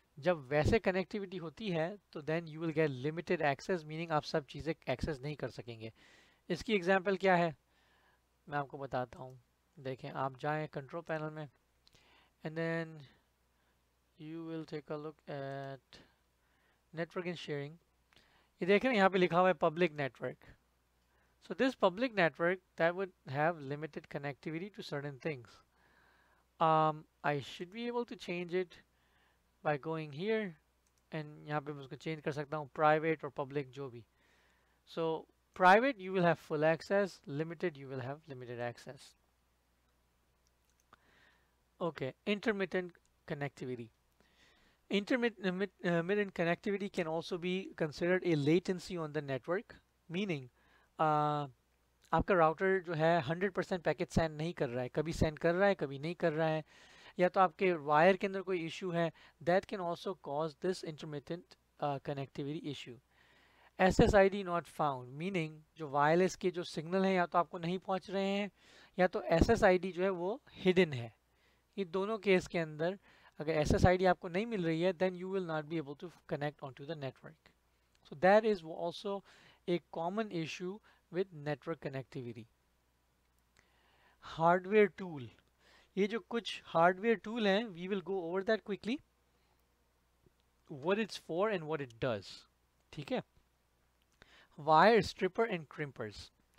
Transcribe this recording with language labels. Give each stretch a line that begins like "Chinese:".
Hindi: जब वैसे कनेक्टिविटी होती है तो
English: then you will get limited access, meaning
Hindi: आप सब चीज़ें एक्सेस नहीं कर सकेंगे. इसकी एग्जाम्पल क्या है मैं आपको बताता हूँ. देखें, आप जाएँ कंट्रोल पैनल में
English: And then You will take a look at network and sharing.
Hindi: ये देख रहे हैं यहाँ पे लिखा हुआ है public network.
English: So this public network that would have limited connectivity to certain things. I should be able to change it by going here.
Hindi: And यहाँ पे मैं उसको change कर सकता हूँ private और public जो भी.
English: So private you will have full access. Limited you will have limited access. Okay, intermittent connectivity. Intermittent connectivity can also be considered a latency on the network, meaning
Hindi: आपका router जो है 100% packet send नहीं कर रहा है, कभी send कर रहा है कभी नहीं कर रहा है, या तो आपके wire के अंदर कोई issue है,
English: that can also cause this intermittent connectivity issue. SSID not found, meaning
Hindi: जो wireless के जो signal हैं या तो आपको नहीं पहुँच रहे हैं या तो SSID जो है वो hidden है. ये दोनों case के अंदर अगर SSID आपको नहीं मिल रही है
English: Then you will not be able to connect on to the network. So So that is also a common issue with network connectivity. Hardware tool.
Hindi: Ye jo kuch hardware tool hain,
English: we will go over that quickly. What it's for and what it does.
Hindi: Theek hai?
English: Wire stripper and crimpers.